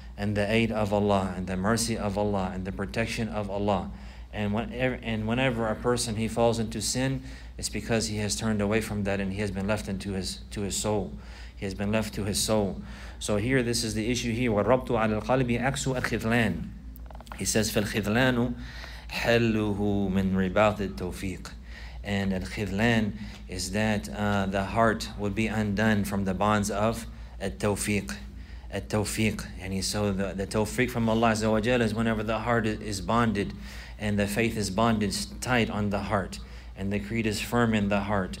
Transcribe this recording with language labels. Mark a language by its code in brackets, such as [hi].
[en] And the aid of Allah, and the mercy of Allah, and the protection of Allah. And whenever a person, he falls into sin, it's because he has turned away from that and he has been left into his soul. He has been left to his soul. So here, this is the issue here. [ar] وَالْرَبْطُ عَلَى الْقَلْبِ عَكْسُ الْخِذْلَانِ. [en] He says, [ar] فَالْخِذْلَانُ حَلُّهُ مِنْ رِبَاطِ التَّوْفِيقِ. [en] And الْخِذْلَان is that the heart would be undone from the bonds of التَّوْفِيقِ. At-tawfiq. And so the tawfiq from Allah Azza wa Jalla is whenever the heart is bonded and the faith is bonded tight on the heart and the creed is firm in the heart.